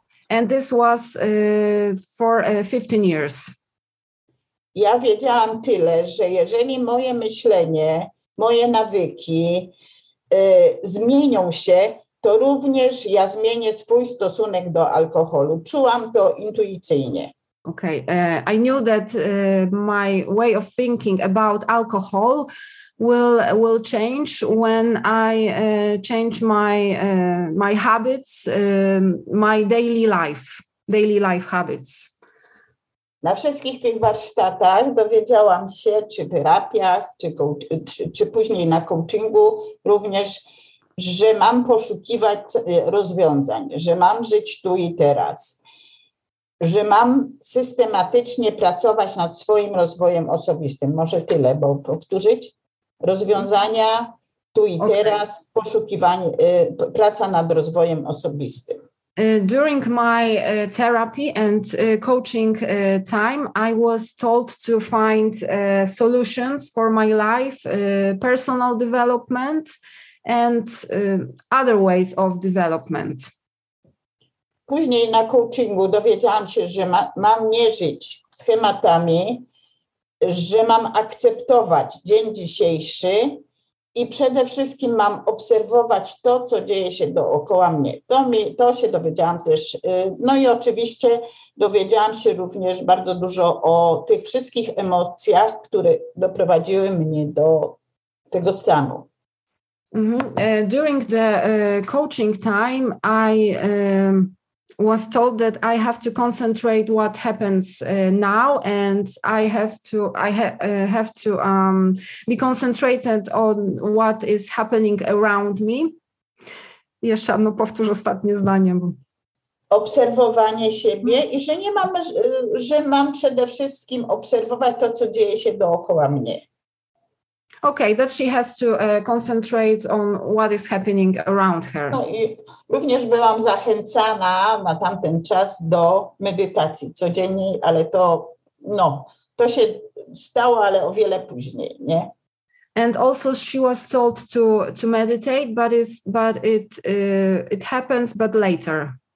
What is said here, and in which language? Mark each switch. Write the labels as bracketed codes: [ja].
[en] And this was for 15 years. [pl] Ja wiedziałam tyle, że jeżeli moje myślenie, moje nawyki zmienią się, to również ja zmienię swój stosunek do alkoholu. Czułam to intuicyjnie. [en] Okay, I knew that my way of thinking about alcohol will change when I change my habits, my daily life habits. [pl] Na wszystkich tych warsztatach dowiedziałam się, czy terapia, czy później na coachingu również, że mam poszukiwać rozwiązań, że mam żyć tu i teraz, że mam systematycznie pracować nad swoim rozwojem osobistym. Może tyle, bo powtórzyć. Rozwiązania tu i teraz, poszukiwanie, praca nad rozwojem osobistym. [en] During my therapy and coaching time, I was told to find solutions for my life, personal development, and other ways of development. [pl] Później na coachingu dowiedziałam się, że mam nie żyć schematami, że mam akceptować dzień dzisiejszy i przede wszystkim mam obserwować to, co dzieje się dookoła mnie. To się dowiedziałam też. No i oczywiście dowiedziałam się również bardzo dużo o tych wszystkich emocjach, które doprowadziły mnie do tego stanu. [en] During the coaching time, I was told that I have to concentrate what happens now, and I have to be concentrated on what is happening around me. [pl] Jeszcze no, powtórzę ostatnie zdanie. Obserwowanie siebie i że nie mam, że mam przede wszystkim obserwować to, co dzieje się dookoła mnie. [en] Okay, that she has to concentrate on what is happening around her. [pl] No i również byłam zachęcana na tamten czas do medytacji codziennej, ale to, no, to się stało, ale o wiele później, nie? [en] And also she was told to meditate, but it happens, but later.